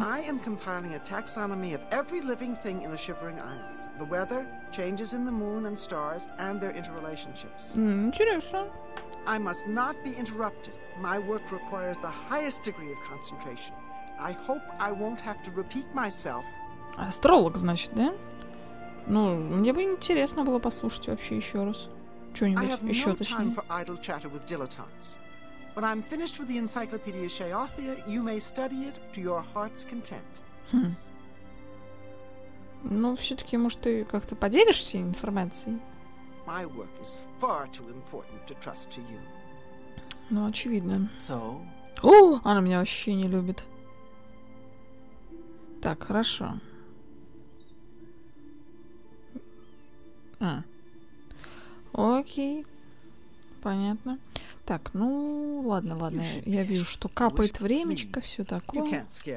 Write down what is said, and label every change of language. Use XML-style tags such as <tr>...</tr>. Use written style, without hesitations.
<en>I am compiling a taxonomy of every living thing in the Shivering Isles. The weather, changes in the moon and stars, and their interrelationships.</en> <ru>Интересно.</ru> <en>I must not be interrupted. My work requires the highest degree of concentration. I hope I won't have to repeat myself.</en> <ru>Астролог, значит, да? Ну, мне бы интересно было послушать вообще еще раз. Что-нибудь еще точнее.</ru> <en>I have no time for idle chatter with dilettantes. When I'm finished with the Encyclopedia Shaothia, you may study it to your heart's content. Хм.</en> <ru>Ну, все-таки, может, ты как-то поделишься информацией?</ru> <en>My work is far too important to trust to you.</en> <ru>Ну, очевидно.</ru> <en>So?</en> <ru>О, она меня вообще не любит. Так, хорошо. А. Окей. Понятно. Так, ну, ладно, ладно, я вижу, что капает времечко, все такое.</ru>